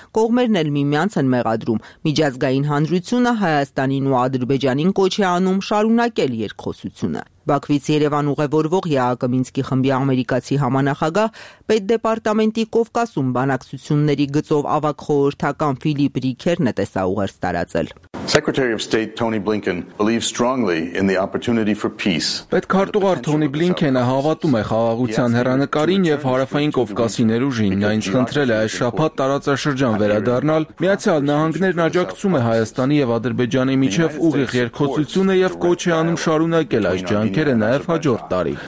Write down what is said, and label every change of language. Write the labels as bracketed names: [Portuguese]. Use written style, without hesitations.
[Armenian] կողմերն էլ միմյանց են մեղադրում։ Միջազգային հանրությունը Հայաստանին ու Ադրբեջանին կոչ է անում շարունակել երկխոսությունը։ Բաքվից Երևան ուղևորվող ՀԱԿ Մինսկի խմբի ամերիկացի համանախագահ Պետդեպարտամենտի Կովկասում բանակցությունների գծով ավագ խորհրդական Ֆիլիպ Ռիքերն է տեսաուղեր տարածել։ [English] Secretary of State Tony Blinken believes strongly in the opportunity for peace. [Armenian] Պետ քարտուղար Թոնի Բլինքենը հավատում է խաղաղության հեռանկարին եւ հարավային Կովկասի ներուժին։ Նա ինձ խնդրել է այս շաբաթ տարածաշրջան վերադառնալ։ Միացյալ Նահանգներն աջակցում է Հայաստանի եւ Ադրբեջանի միջև ուղիղ երկխոսությունը եւ կոչ է անում շարունակել այս ջանքերը նաեւ հաջորդ տարի։